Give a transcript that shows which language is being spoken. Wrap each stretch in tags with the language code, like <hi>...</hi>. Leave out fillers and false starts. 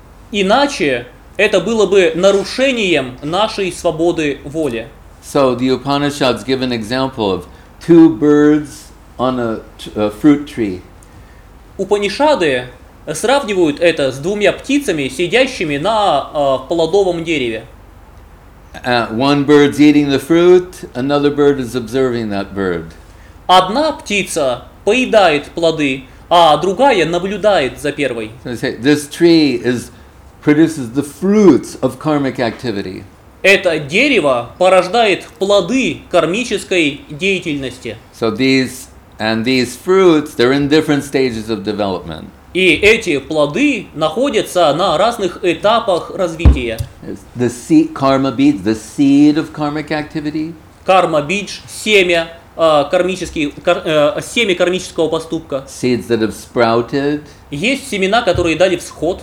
<ru>Иначе это было бы нарушением нашей свободы воли.</ru> <en>So the Upanishads give an example of two birds on a fruit tree.</en> <ru>Упанишады сравнивают это с двумя птицами, сидящими на плодовом дереве.</ru> <en>One bird's eating the fruit, another bird is observing that bird.</en> <ru>Одна птица поедает плоды, а другая наблюдает за первой.</ru> <en>This tree produces the fruits of karmic activity.</en> <ru>Это дерево порождает плоды кармической деятельности.</ru> <en>So these fruits, they're in different stages of development.</en> <ru>И эти плоды находятся на разных этапах развития.</ru> <en>The seed, karma beach, the seed of karmic activity.</en> <ru>Karma beach, семя. Семя кармического поступка.</ru> <en>Seeds that have sprouted,</en> <ru>есть семена, которые дали всход,</ru>